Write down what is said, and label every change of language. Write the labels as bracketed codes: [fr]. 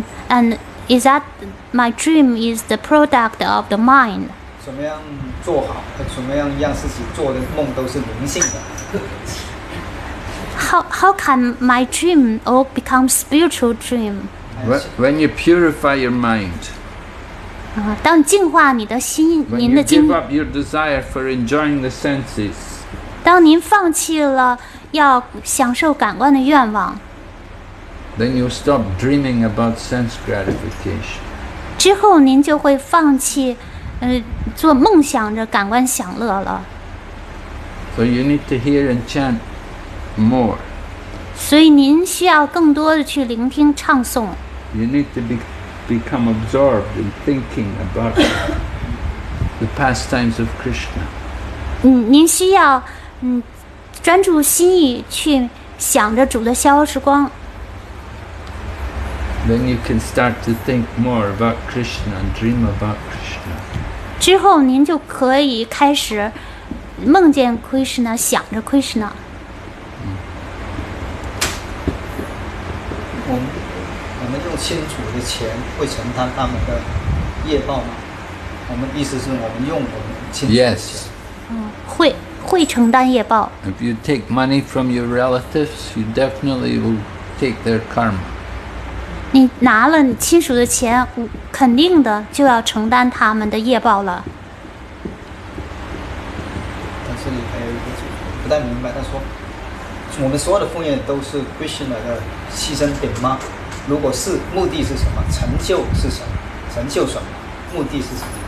[en] And is that my dream is the product of the mind? [zh] 怎么样做好？怎么样让自己做的梦都是灵性的？ [en] How can my dream all become spiritual dream? When you purify your mind, [zh] 当净化你的心，您的精。 [en] When you give up your desire for enjoying the senses, [zh] 当您放弃了要享受感官的愿望。 [en] Then you stop dreaming about sense gratification. [zh] 之后您就会放弃，做梦想着感官享乐了。 [en] So you need to hear and chant. More. [zh] 所以您需要更多的去聆听唱诵。 [en] You need to become absorbed in thinking about the pastimes of Krishna. [zh] 您需要专注心意去想着主的逍遥时光。 [en] Then you can start to think more about Krishna and dream about Krishna. [zh] 之后您就可以开始梦见 Krishna, 想着 Krishna. 我们用亲属的钱会承担他们的业报吗？我们意思是我们用我们亲属的钱。 [en] Yes. [zh] 会承担业报。 [en] If you take money from your relatives, you definitely will take their karma. [zh] 你拿了你亲属的钱，肯定的就要承担他们的业报了。但是你还有一个不太明白，他说。我们所有的奉献都是 Krishna 的牺牲品吗？如果是，目的是什么？成就是什么？成就什么？目的是什么？